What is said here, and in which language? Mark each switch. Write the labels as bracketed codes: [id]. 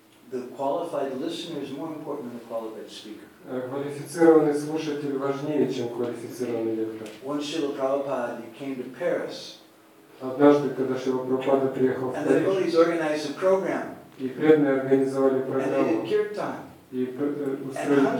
[en] The qualified listener is more important than the qualified speaker. [ru] Квалифицированный слушатель важнее, чем квалифицированный лектор. [en] Once Srila Prabhupada came to Paris. [ru] Однажды, когда Шрила Прабхупада приехал в Париж, и преданные организовали программу, и устроили